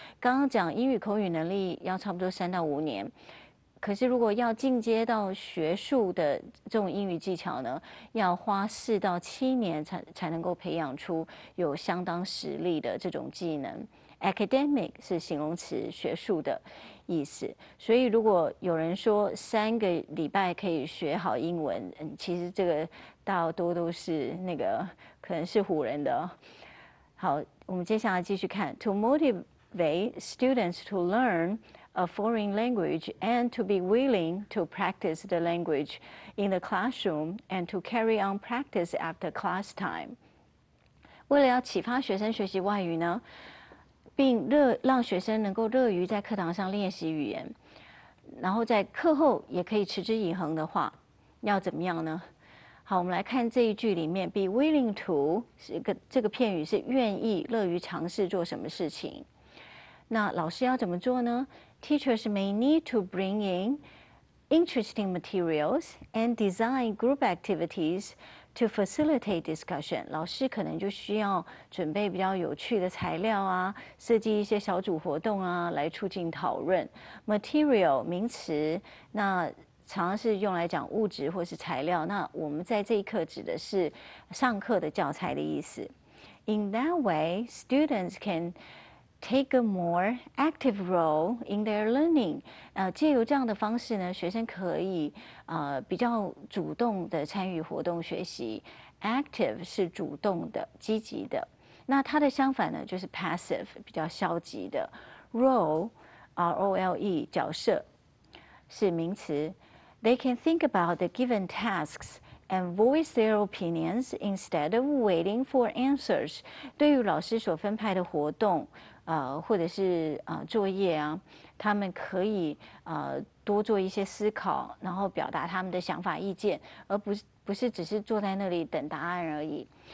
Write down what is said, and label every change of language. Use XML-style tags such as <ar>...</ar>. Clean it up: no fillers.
<zh>刚刚讲英语口语能力要差不多3到5年，可是如果要进阶到学术的这种英语技巧呢，要花4到7年才能够培养出有相当实力的这种技能。 Academic 是形容词，学术的意思。所以如果有人说3个礼拜可以学好英文，其实这个大多都是那个可能是唬人的。好，我们接下来继续看。</zh> <en>To motivate students to learn a foreign language and to be willing to practice the language in the classroom and to carry on practice after class time.</en> <zh>为了要启发学生学习外语呢，并让学生能够乐于在课堂上练习语言，然后在课后也可以持之以恒的话，要怎么样呢？好，我们来看这一句里面 ，be willing to 是个这个片语是愿意、乐于尝试做什么事情。那老师要怎么做呢 ？</zh> <en>Teachers may need to bring in interesting materials and design group activities to facilitate discussion，</en> <zh>老师可能就需要准备比较有趣的材料啊，设计一些小组活动啊，来促进讨论。 Material 名词，那常常是用来讲物质或是材料。那我们在这一课指的是上课的教材的意思。</zh> <en>In that way, students can take a more active role in their learning。</en> <zh>借由这样的方式呢，学生可以比较主动的参与活动学习。 active 是主动的、积极的。那它的相反呢，就是 passive， 比较消极的。 Role，R-O-L-E， 角色是名词。</zh> <en>They can think about the given tasks and voice their opinions instead of waiting for answers.</en> <zh>对于老师所分派的活动，或者是作业啊，他们可以多做一些思考，然后表达他们的想法意见，而不是只是坐在那里等答案而已。</zh>